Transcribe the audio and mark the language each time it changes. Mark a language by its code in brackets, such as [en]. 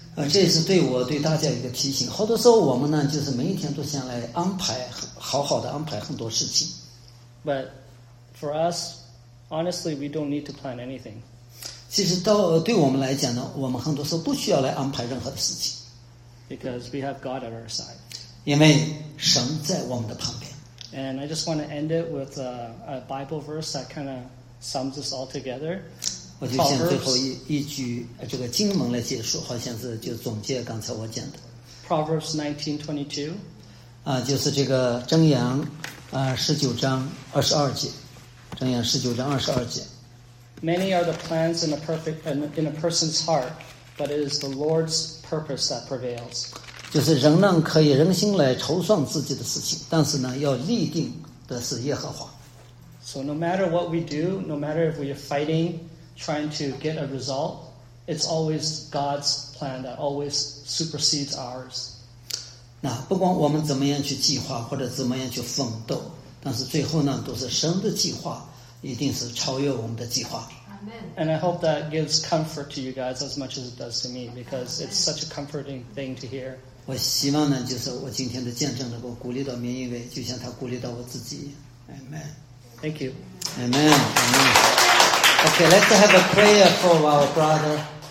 [zh] 这也是对我对大家一个提醒。好多时候我们呢，就是每一天都想来安排，好好的安排很多事情。 [en] But for us, honestly, we don't need to plan anything. [zh] 其实到对我们来讲呢，我们很多时候不需要来安排任何的事情。 [en] Because we have God at our side. [zh] 因为神在我们的旁边。 [en] And I just want to end it with a Bible verse that kind of sums this all together. [zh] 我就先最后一句这个经文来结束，好像是就总结刚才我讲的。 [en] Proverbs 19:22， [zh] 就是这个箴言，十九章二十二节，箴言十九章二十二节。 [en] Many are the plans in a person's heart, but it is the Lord's purpose that prevails. [zh] 就是人呢可以人心来筹算自己的事情，但是呢要立定的是耶和华。 [en] So no matter what we do, no matter if we are fighting. Trying to get a result, it's always God's plan that always supersedes ours. [zh] 那不管我们怎么样去计划或者怎么样去奋斗，但是最后呢，都是神的计划一定是超越我们的计划。 [en] Amen. And I hope that gives comfort to you guys as much as it does to me, because it's such a comforting thing to hear. [zh] 我希望呢，就是我今天的见证能够鼓励到明一伟，就像他鼓励到我自己。 [en] Amen. Thank you. Amen. Amen. Okay, let's have a prayer for our brother.